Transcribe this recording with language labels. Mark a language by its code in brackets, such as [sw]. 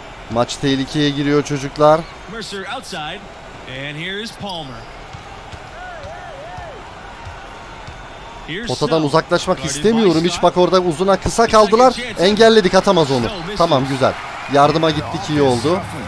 [tr] Maç tehlikeye giriyor çocuklar. [en] Mercer outside and here is Palmer. [tr] Potadan uzaklaşmak istemiyorum. Hiç bak, orada uzuna kısa kaldılar. Engelledik, atamaz onu. Tamam, güzel. Yardıma gittik, iyi oldu.